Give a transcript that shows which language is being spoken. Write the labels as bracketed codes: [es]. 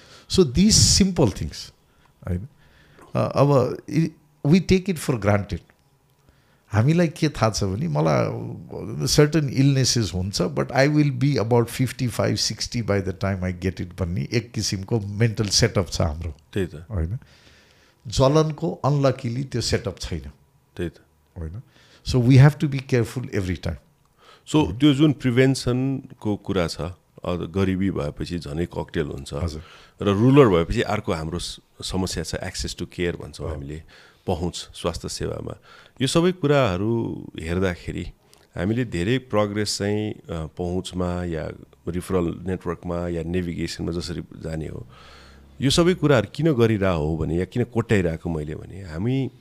[en] so this simple things होइन अब we take it for granted [ne] हामीलाई के थाहा छ भने मलाई सर्टन इलनेसेस हुन्छ but I will be about 55-60 by the time I get it भन्ने एक किसिमको मेन्टल सेटअप छ हाम्रो त्यही त होइन जलनको अनलकिली त्यो सेटअप छैन त्यही त [en] होइन so we have to be careful every time [ne] so त्यो जुन प्रिभेन्सनको कुरा छ गरिबी भएपछि झनै ककटेल हुन्छ र रुरल भएपछि अर्को हाम्रो समस्या छ [en] access to care [ne] भन्छौँ हामीले पहुँच स्वास्थ्य सेवामा यो सबै कुराहरू हेर्दाखेरि हामीले धेरै प्रोग्रेस चाहिँ पहुँचमा या रिफरल नेटवर्कमा या नेभिगेसनमा जसरी जाने हो यो सबै कुराहरू किन गरिरहेको हो भने या किन कोट्याइरहेको मैले भने हामी